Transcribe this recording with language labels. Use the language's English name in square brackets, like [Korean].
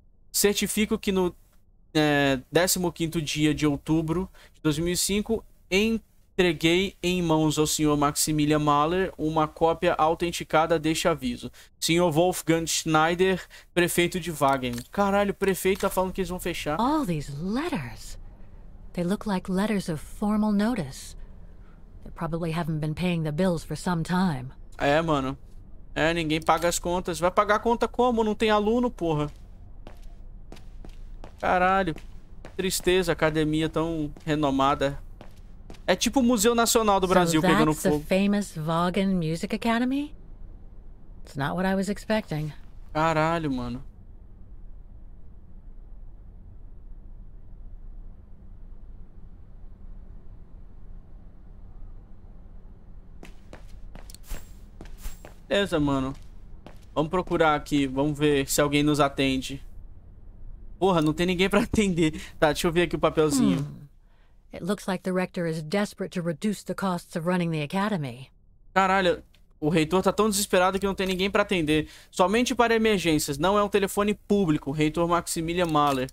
[Portuguese] Certifico que no 15º dia de outubro de 2005... entreguei em mãos ao senhor Maximilian Mahler uma cópia autenticada deste aviso. Senhor Wolfgang Schneider, prefeito de Vaghen. Caralho, o prefeito tá falando que eles vão fechar. [English] All these letters. They look like letters of formal notice. They probably haven't been paying the bills for some time. [Portuguese] É, mano. É, ninguém paga as contas. Vai pagar a conta como? Não tem aluno, porra. Caralho. Tristeza, academia tão renomada. É tipo o Museu Nacional do Brasil então, pegando fogo. [English] A famous Vaghen Music Academy? It's not what I was expecting. [Portuguese] Caralho, mano. Beleza, mano. Vamos procurar aqui. Vamos ver se alguém nos atende. Porra, não tem ninguém pra atender. Tá, deixa eu ver aqui o papelzinho. [English] It looks like the rector is desperate to reduce the costs of running the academy. [Portuguese] Caralho, o reitor tá tão desesperado que não tem ninguém pra atender. Somente para emergências, não é um telefone público, reitor Maximilian Mahler.